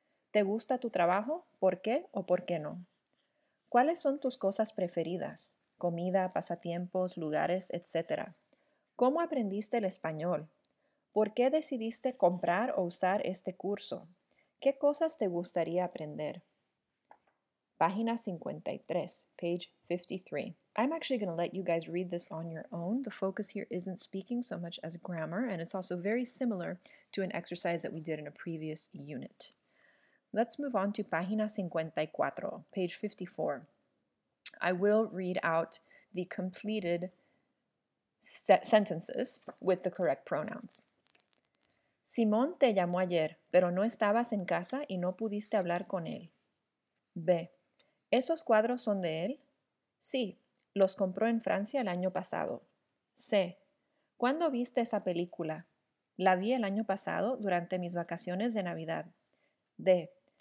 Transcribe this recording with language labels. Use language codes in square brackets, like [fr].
[es] ¿Te gusta tu trabajo? ¿Por qué o por qué no? ¿Cuáles son tus cosas preferidas? ¿Comida, pasatiempos, lugares, etcétera? ¿Cómo aprendiste el español? ¿Por qué decidiste comprar o usar este curso? ¿Qué cosas te gustaría aprender? Página 53, [en] page 53. I'm actually going to let you guys read this on your own. The focus here isn't speaking so much as grammar, and it's also very similar to an exercise that we did in a previous unit. Let's move on to [es] página 54, [en] page 54. I will read out the completed sentences with the correct pronouns. [es] Simón te llamó ayer, pero no estabas en casa y no pudiste hablar con él. B. ¿Esos cuadros son de él? Sí, los compró en Francia el año pasado. C. ¿Cuándo viste esa película? La vi el año pasado durante mis vacaciones de Navidad. D.